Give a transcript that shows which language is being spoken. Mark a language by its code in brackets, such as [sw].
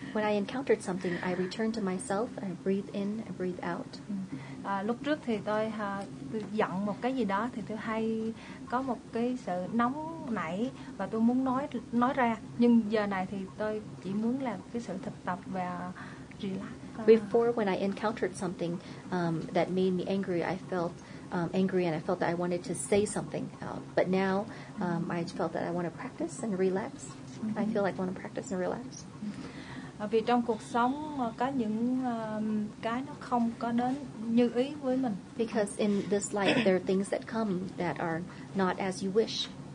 [en] When I encountered something, I returned to myself, I breathe in, I breathe out. [vi] Lúc trước thì tôi giận một cái gì đó thì tôi hay có một cái sự nóng nảy và tôi muốn nói ra. Nhưng giờ này thì tôi chỉ muốn làm cái sự thực tập và relax. [en] Before, when I encountered something that made me angry, I felt angry and I felt that I wanted to say something. But now I felt that I want to practice and relax. Mm-hmm. I feel like I want to practice and relax. [vi] Vì trong cuộc sống có những cái nó không có đến như ý với mình. [en] Because in this life there are things that come that are not as you wish.